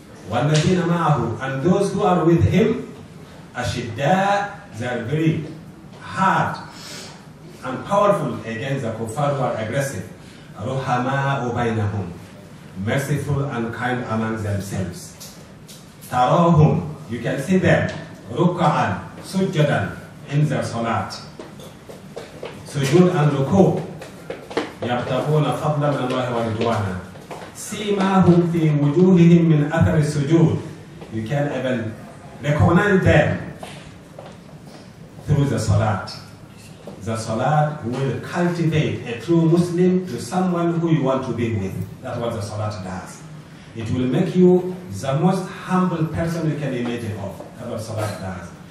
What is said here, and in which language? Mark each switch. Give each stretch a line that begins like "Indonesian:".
Arabic: وَالَّذِينَ مَعَهُ,
English: and those who are with him,
Arabic: أَشِدَّاءَ,
English: they are very hard and powerful against the kuffar who are aggressive.
Arabic: رُحَمَاءُ بَيْنَهُمْ,
English: merciful and kind among themselves.
Arabic: تَرَوْهُمْ,
English: you can see them,
Arabic: رُكَّعًا, سُجَّدًا,
English: in their salat.
Arabic: سُجُود and ruku, يَبْتَغُونَ فَضْلًا مِنَ اللَّهِ وَرِضْوَانًا. سِيمَاهُمْ فِي وُجُوهِهِمْ مِنْ أَثَرِ السُّجُودِ,
English: you can even recognize them through the salat. The salat will cultivate a true Muslim to someone who you want to be with. That's what the salat does. It will make you the most humble person you can imagine of. That's what salat does.